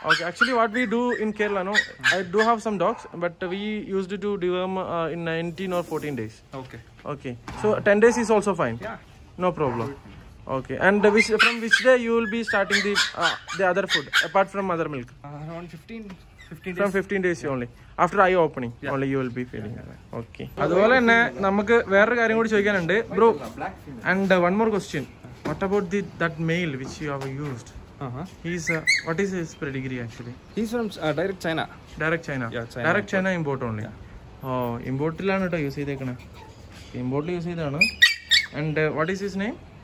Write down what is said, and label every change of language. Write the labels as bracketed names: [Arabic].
[English] Okay, actually what we do in Kerala, no? I do have some dogs, but we used to deworm in 19 or 14 days. Okay. Okay. So 10 days is also fine. Yeah. No problem. Okay. And from which day you will be starting the other food apart from mother milk? Around 15 days. From 15 days, yeah. Only. After eye opening, yeah. Only you will be feeling. Yeah. Okay. [Malayalam] അതുപോലെ തന്നെ നമുക്ക് വേറൊരു കാര്യം കൂടി ചോദിക്കാനുണ്ട് bro. [English] And one more question. What about that male which you have used? He's what is his pedigree actually? He's from direct China. Direct China? Yeah, China. Direct China import only? Yeah. Oh, imported [Malayalam] lana to use edekana. [English] Imported use [Malayalam] edana. [English] And what is his name?